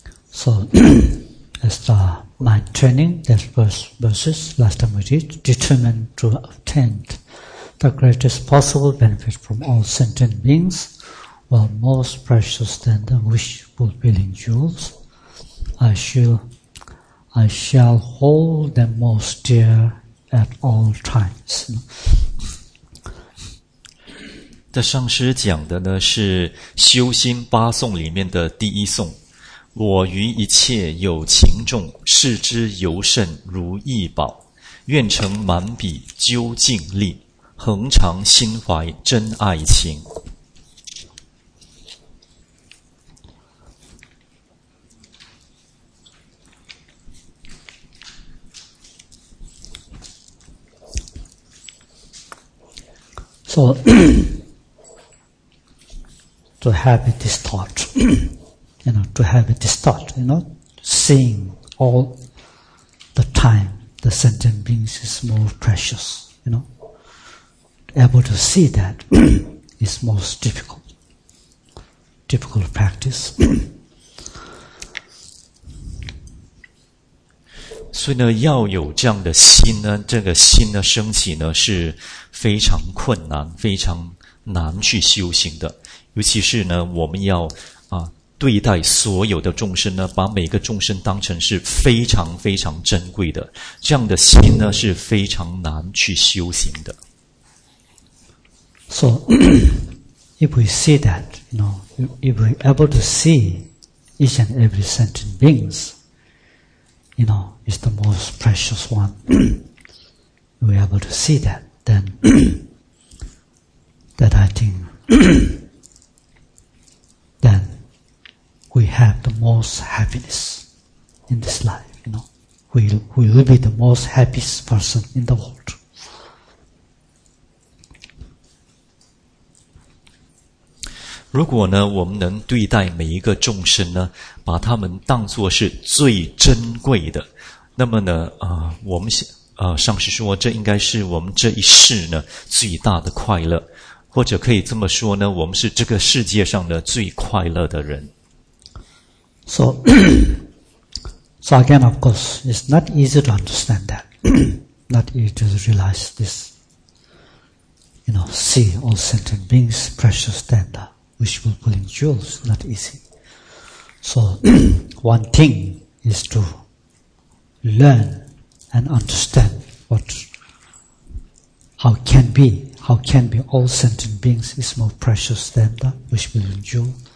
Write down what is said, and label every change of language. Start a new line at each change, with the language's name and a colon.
English: So, as my training, the first verses last time we did, determined to obtain the greatest possible benefit from all sentient beings, while most precious than the wish-fulfilling jewels, I shall hold them most dear at all times.
Chinese: 这上师讲的呢是修心八颂里面的第一颂。我于一切有情众，视之尤甚如意宝，愿成满彼究竟力，恒常心怀真爱情。
English: So, to have this thought, you know, to have this thought, you know, seeing all the time the sentient beings is more precious, you know, able to see that is most difficult practice.
Chinese: 所以呢，要有这样的心呢，这个心的升起呢，是非常困难，非常难去修行的。尤其是呢，我们要对待所有的众生呢，把每个众生当成是非常非常珍贵的。这样的心呢，是非常难去修行的。
English: So, if we see that, you know, if we're able to see each and every sentient beings, you know. Is the most precious one. We're able to see that, then that I think then we have the most happiness in this life, you know. We will be the most happiest person in the world.
Chinese: 如果呢，我们能对待每一个众生呢，把他们当作是最珍贵的。那么呢我们上师说这应该是我们这一世呢最大的快乐，或者可以这么说呢，我们是这个世界上的最快乐的人。
English: So again, of course, it's not easy to understand that. Not easy to realize this. You know, see all sentient beings precious than the wishful pulling jewels. Not easy. So one thing is toLearn and understand how can be all sentient beings is more precious than the wish-fulfilling jewel.